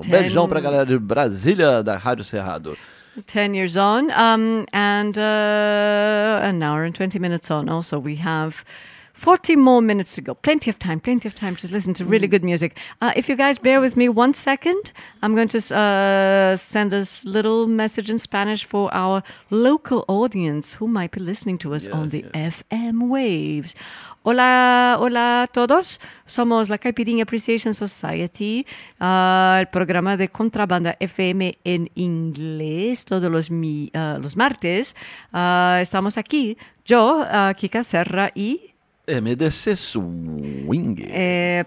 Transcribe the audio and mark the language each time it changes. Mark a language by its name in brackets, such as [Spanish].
[Portuguese] Um beijão pra galera de Brasília da Rádio Cerrado. [English] 10 years on, an hour and 20 minutes on. Also, we have 40 more minutes to go. Plenty of time to listen to really good music. If you guys bear with me 1 second, I'm going to send this little message in Spanish for our local audience who might be listening to us FM waves. [Spanish] Hola, hola a todos. Somos la Caipirinha Appreciation Society, el programa de Contrabanda FM en inglés todos los martes. Estamos aquí, yo, Kika Serra y... MDC Swing.